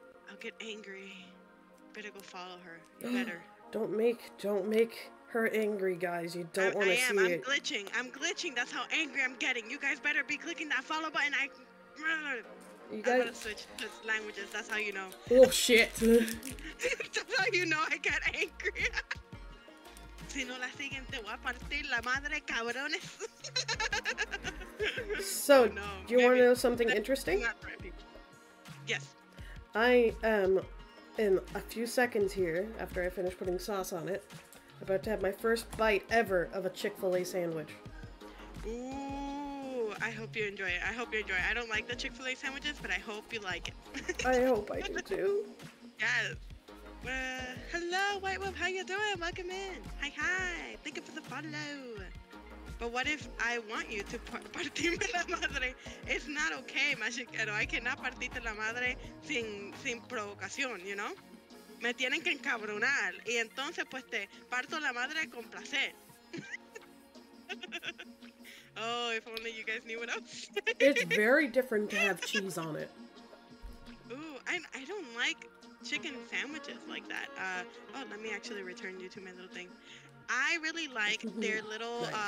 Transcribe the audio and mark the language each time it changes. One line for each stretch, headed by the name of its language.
English: I'll get angry. Better go follow her. Better. Don't make her angry, guys. You don't want to see it. I'm glitching. That's how angry I'm getting. You guys better be clicking that follow button. I'm gonna switch languages, that's how you know. Oh shit. That's how you know I get angry.
Spanish: Si no la siguen, te voy a partir la madre, cabrones.
English: So, do you want to know something interesting? Yes. I am in a few seconds here, after I finish putting sauce on it, about to have my first bite ever of a Chick-fil-A sandwich. Ooh. I hope you enjoy it. I don't like the Chick-fil-A sandwiches, but I hope you like it. I hope I do too. Yes. Hello, White Wolf. How you doing? Welcome in. Hi. Thank you for the follow. But what if I want you to
Spanish: partirme la madre?
English: It's not okay, Machiquero. I cannot
Spanish: partirte la madre sin provocación,
English: you know?
Spanish: Me tienen que encabronar. Y entonces, pues, te parto la madre con placer.
English: Oh, if only you guys knew what I'm saying. It's very different to have cheese on it. Ooh, I don't like chicken sandwiches like that. Let me actually return you to my little thing. I really like their little,